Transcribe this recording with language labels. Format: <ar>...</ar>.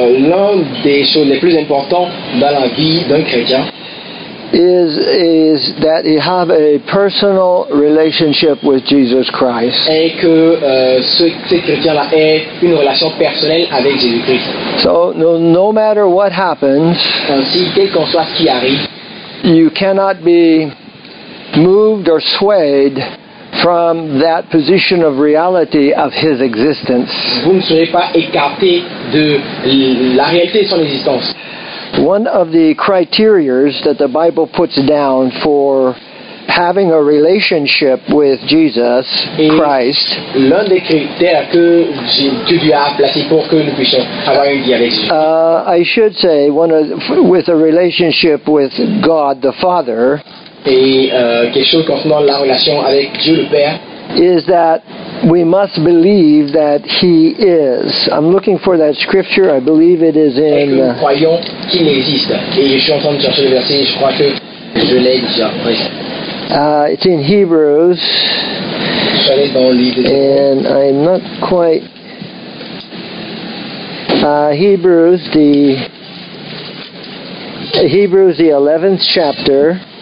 <fr>l'un des choses les plus importantes dans la vie d'un chrétien,</fr> <en>is that you have a personal relationship with Jesus Christ.</en> <fr>Et que ce chrétien-là ait une relation personnelle avec Jésus-Christ.</fr> <en>So no matter what happens,</en> <fr>ainsi, quel qu'en soit ce qui arrive,</fr> <en>you cannot be moved or swayed from that position of reality of his existence.</en> <fr>Vous ne serez pas écarté de la réalité de son existence.</fr> <en>One of the criterias that the Bible puts down for having a relationship with Jesus Christ,</en> <fr>l'un des critères que Dieu a placé pour que nous puissions avoir une vie avec Jésus.</fr> <en>I should say with a relationship with God the Father,</en> <fr>et quelque chose concernant la relation avec Dieu le Père,</fr> <en>is that we must believe that He is. I'm looking for that scripture. I believe it is in it's in Hebrews, and I'm not quite Hebrews the 11th chapter.</en>